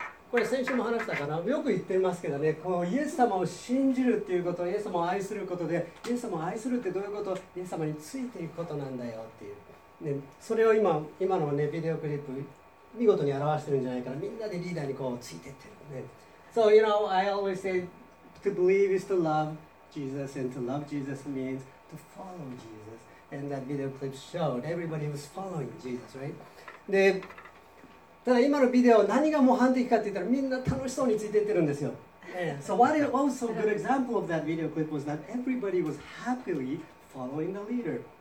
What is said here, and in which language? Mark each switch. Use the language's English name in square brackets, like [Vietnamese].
[Japanese] これ先週も話したかな。よく言ってますけどね、こうイエス様を信じるっていうこと、イエス様を愛することで、イエス様を愛するってどういうこと、イエス様についていくことなんだよっていう。ね、それを今のねビデオクリップ見事に表してるんじゃないかな。みんなでリーダーにこうついてってるね。 [English] So you know, I always say to believe is to love Jesus, and to love Jesus means to follow Jesus. And that video clip showed everybody was following Jesus, right? [Japanese] で、ただ今のビデオ何が模範的かって言ったらみんな楽しそうについていってるんですよ。 [English] So what is also a good example of that video clip was that everybody was happily following the leader.